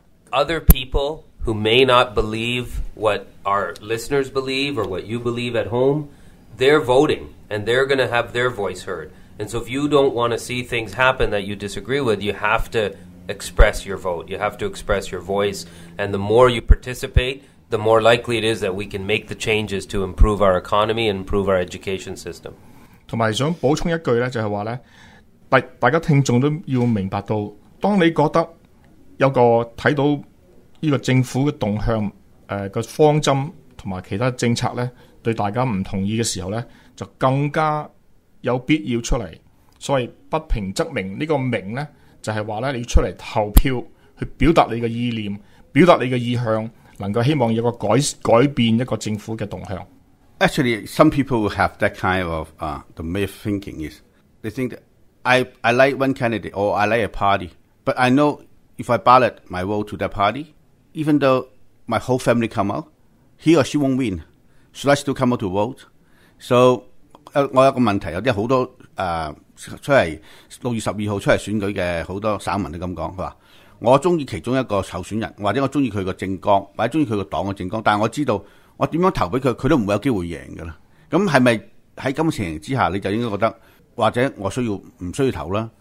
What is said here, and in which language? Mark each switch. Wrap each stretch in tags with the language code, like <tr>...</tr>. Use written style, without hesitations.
<en>Other people who may not believe what our listeners believe or what you believe at home, they're voting and they're going to have their voice heard. And so if you don't want to see things happen that you disagree with, you have to express your vote. You have to express your voice. And the more you participate, the more likely it is that we can make the changes to improve our economy and improve our education system.</en> <yue>同埋想補充一句就是说，大家听众都要明白到，当你觉得有个看到这个政府的动向，个方针同埋其他政策呢，对大家不同意的时候呢，就更加有必要出嚟，所以不平则鸣呢个鸣咧，就系话咧，你出嚟投票去表达你嘅意念，表达你嘅意向，能够希望有个改变一个政府嘅动向。</yue> <en>Actually, some people have that kind of the myth thinking is they think that I like one candidate or I like a party, but I know if I ballot my vote to that party, even though my whole family come out, he or she won't win, so I still come out to vote. So.</en> <yue>我有个问题，有啲好多出嚟6月12号出嚟选举嘅好多省民都咁讲，佢话我中意其中一个候选人，或者我中意佢个政纲，或者中意佢个党嘅政纲，但系我知道我点样投俾佢，佢都唔会有机会赢噶啦。咁系咪喺咁嘅情形之下，你就应该觉得或者我唔需要投啦？</yue>